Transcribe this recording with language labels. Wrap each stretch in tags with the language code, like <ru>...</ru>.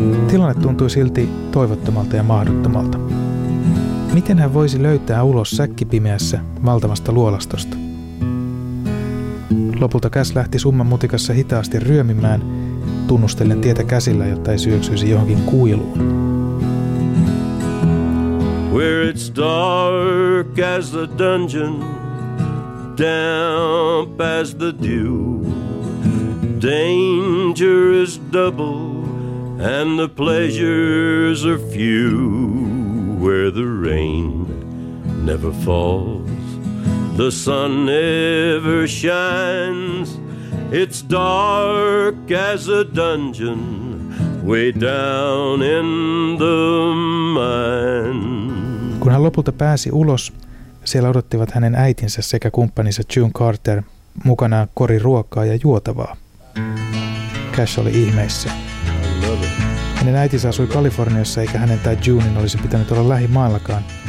<fi>Tilanne tuntui silti toivottomalta ja mahdottomalta. Miten hän voisi löytää ulos säkkipimeässä valtavasta luolastosta? Lopulta Cash lähti summan mutikassa hitaasti ryömimään, tunnustellen tietä käsillä, jotta ei syöksyisi johonkin kuiluun.</fi> <en>Where it's dark as the dungeon, damp as the dew, danger is double and the pleasures are few. Where the rain never falls, the sun never shines. It's dark as a dungeon way down in the mine.</en> <fi>Kun hän lopulta pääsi ulos, siellä odottivat hänen äitinsä sekä kumppaninsa June Carter mukanaan kori ruokaa ja juotavaa. Cash oli ihmeissä. Hänen äitinsä asui Kaliforniassa eikä hänen tai Junein olisi pitänyt olla lähimaillakaan.</fi>